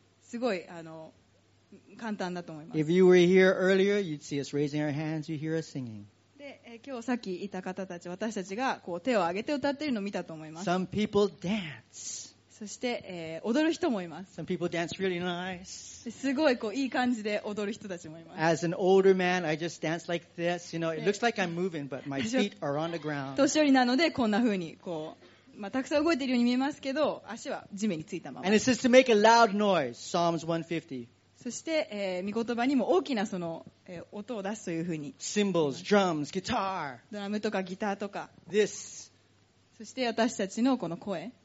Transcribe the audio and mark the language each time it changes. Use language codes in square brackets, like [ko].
[ja] すごい簡単だと思います。 [en] If you were here earlier, you'd see us raising our hands, you'd hear us singing. [ja] で、今日さっきいた方たち、私たちがこう手を挙げて歌っているのを見たと思います。 [en] Some people dance. [ja] そして、踊る人もいます。 [en] Some people dance really nice. [ja] すごいこういい感じで踊る人たちもいます。 [en] As an older man, I just dance like this. You know, it looks like I'm moving, but my feet are on the ground. [ja] 年寄りなのでこんな風にこう。まあ、たくさん動いているように見えますけど、足は地面についたまま。 [en] And it says to make a loud noise, Psalms 150. [ja] そして、御言葉にも大きなその、音を出すというふうに。 [en] Cymbals, drums, guitar. [ja] ドラムとかギターとか。 [en] This. [ja] そして私たちのこの声。